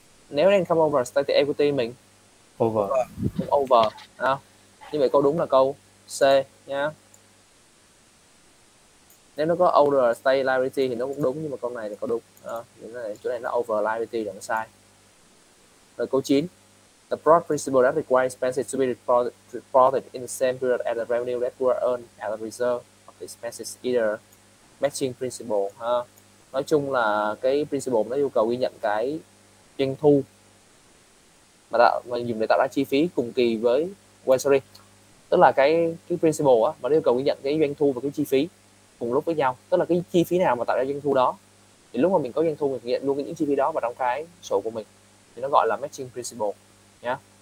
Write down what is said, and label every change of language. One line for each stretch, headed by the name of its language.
Vietnamese: Nếu net income overstay thì equity mình
English: over.
Vietnamese: Cũng over. À, như vậy câu đúng là câu C nha. Nếu nó có overstay liability thì nó cũng đúng, nhưng mà câu này thì câu đúng. Chỗ này nó over liability là nó sai. Rồi câu 9.
English: The broad principle that requires expenses to be reported in the same period as the revenue that were earned as a result of the expenses either matching principle.
Vietnamese: Nói chung là cái principle nó yêu cầu ghi nhận cái doanh thu mà dùng để tạo ra chi phí cùng kỳ với tức là cái principle á, mà nó yêu cầu ghi nhận cái doanh thu và cái chi phí cùng lúc với nhau, tức là cái chi phí nào mà tạo ra doanh thu đó thì lúc mà mình có doanh thu mình nhận luôn những chi phí đó vào trong cái sổ của mình, thì nó gọi là matching principle nhá.